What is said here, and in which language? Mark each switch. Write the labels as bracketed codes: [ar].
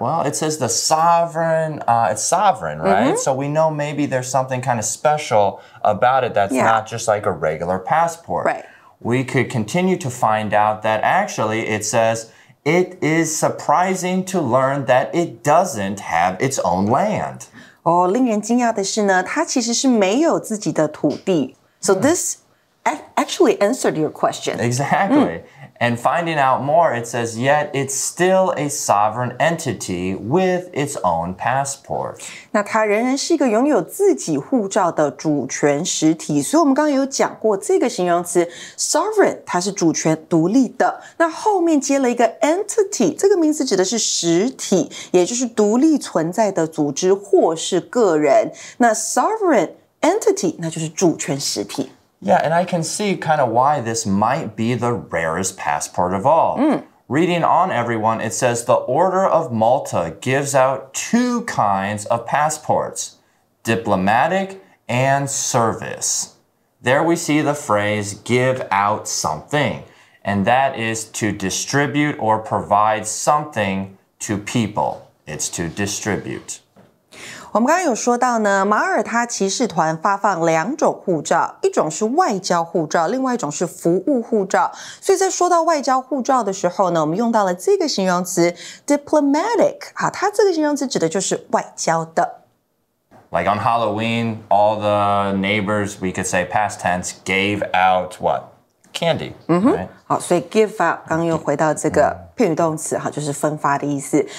[en] Well, it says the sovereign, it's sovereign, right? Mm-hmm. So we know maybe there's something kind of special about it that's not just like a regular passport. Right. We could continue to find out that actually it says it is surprising to learn that it doesn't have its own land. [zh] Oh, 令人惊讶的是呢，它其实是没有自己的土地。 [en] So this actually answered your question. Exactly. And finding out more, it says, yet it's still a sovereign entity with its own passport. [zh] 那它仍然是一个拥有自己护照的主权实体。所以我们刚刚有讲过这个形容词 sovereign， 它是主权独立的。那后面接了一个 entity， 这个名词指的是实体，也就是独立存在的组织或是个人。那 sovereign entity， 那就是主权实体。 [en] Yeah, and I can see kind of why this might be the rarest passport of all. Reading on, everyone, it says the Order of Malta gives out two kinds of passports, diplomatic and service. There we see the phrase give out something, and that is to distribute or provide something to people. It's to distribute. [zh] 我们刚刚有说到呢，马耳他骑士团发放两种护照，一种是外交护照，另外一种是服务护照。所以在说到外交护照的时候呢，我们用到了这个形容词 diplomatic。好，它这个形容词指的就是外交的。 [en] Like on Halloween, all the neighbors, we could say past tense, gave out what? Candy. [zh] Mm-hmm. [en] Right? [zh] 好，所以 give out 刚刚又回到这个片语动词就是分发的意思。